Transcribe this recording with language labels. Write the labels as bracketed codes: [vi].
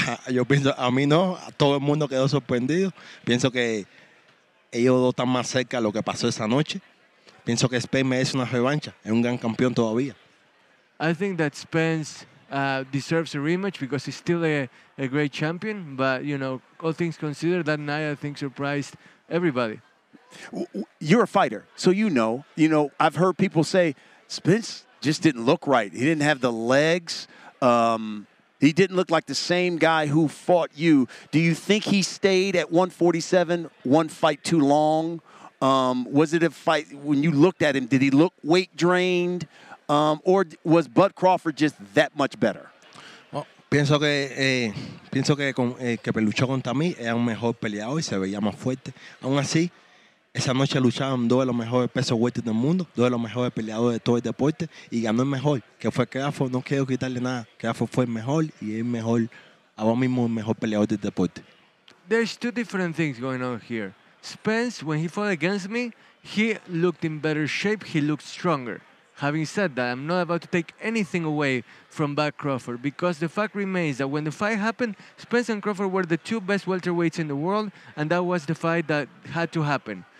[es] Yo pienso, a mí no, a todo el mundo quedó sorprendido. Pienso que ellos dos están más cerca de lo que pasó esa noche. Pienso que Spence merece una revancha, es un gran campeón todavía. [en] I think that Spence deserves a rematch because he's still a great champion, but, you know, all things considered, that night I think surprised everybody. You're a fighter, so you know, I've heard people say Spence just didn't look right. He didn't have the legs. He didn't look like the same guy who fought you. Do you think he stayed at 147, one fight too long? Was it a fight, when you looked at him, did he look weight drained? Or was Bud Crawford just that much better? [es] Well, pienso que peluchó contra mí, era un mejor peleador y se veía más fuerte. Aún así, esa noche lucharon dos de los mejores pesos welter del mundo, dos de los mejores peleadores de todo el deporte, y ganó el mejor, que fue Crawford. No quiero quitarle nada. Crawford fue el mejor y es el mejor, ahora mismo el mejor peleador del deporte. [en] There's two different things going on here. Spence, when he fought against me, he looked in better shape, he looked stronger. Having said that, I'm not about to take anything away from Bud Crawford, because the fact remains that when the fight happened, Spence and Crawford were the two best welterweights in the world, and that was the fight that had to happen.